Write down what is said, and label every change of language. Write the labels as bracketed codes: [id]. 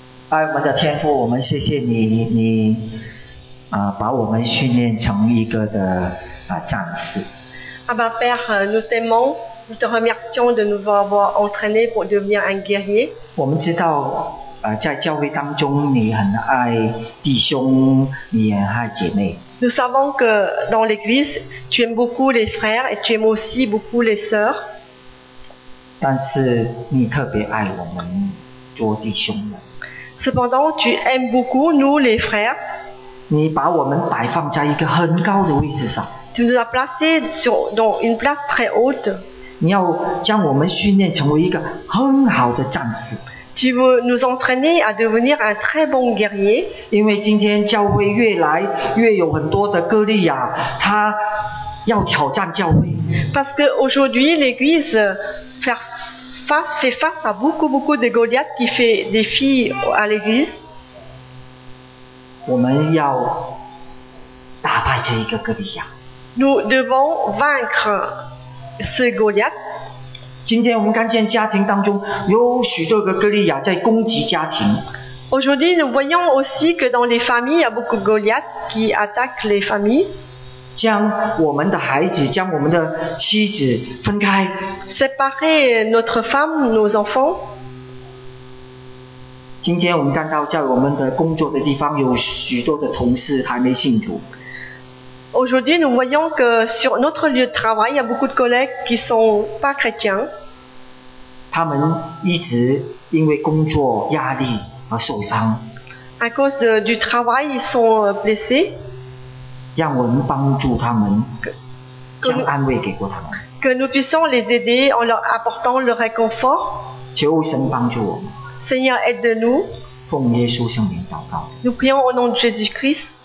[zh] Ah, 我们的天父，我们谢谢你，你把我们训练成一个的战士。 [fr] Abba Père, nous t'aimons, nous te remercions de nous avoir entraîné pour devenir un guerrier. [zh] 我们知道，在教会当中，你很爱弟兄，你也爱姐妹。 [fr] Nous savons que dans l'église, tu aimes beaucoup les frères et tu aimes aussi beaucoup les sœurs. [zh] 但是你特别爱我们做弟兄们。 [fr] Cependant, tu aimes beaucoup nous les frères. [zh] 你把我们摆放在一个很高的位置上。 [fr] Tu nous as placés sur dans une place très haute. [zh] 你要将我们训练成为一个很好的战士。 [fr] Tu veux nous entraîner à devenir un très bon guerrier. [zh] 因为今天教会越来越有很多的哥利亚，他要挑战教会。 [fr] Parce que aujourd'hui l'Église fait face à beaucoup de Goliath qui fait des filles à l'Église. [zh] 我们要打败这一个哥利亚。 [fr] Nous devons vaincre ce Goliath. [zh] 今天我们看见家庭当中有许多个哥利亚在攻击家庭。 [fr] Aujourd'hui, nous voyons aussi que dans les familles, il y a beaucoup de Goliath qui attaque les familles. [zh] 将我们的孩子，将我们的妻子分开。 [fr] Séparer notre femme, nos enfants. [zh] 今天我们看到在我们的工作的地方有许多的同事还没信主。 [fr] Aujourd'hui, nous voyons que sur notre lieu de travail, il y a beaucoup de collègues qui ne sont pas chrétiens. [zh] 他们一直因为工作压力而受伤。 [fr] À cause du travail, ils sont blessés. [zh] 让我们帮助他们，将安慰给过他们。 [fr] Que nous puissions les aider en leur apportant le réconfort. [zh] 求神帮助我们。 [fr] Seigneur, aide-nous. [zh] 奉耶稣圣名祷告。 [fr] Nous prions au nom de Jésus-Christ.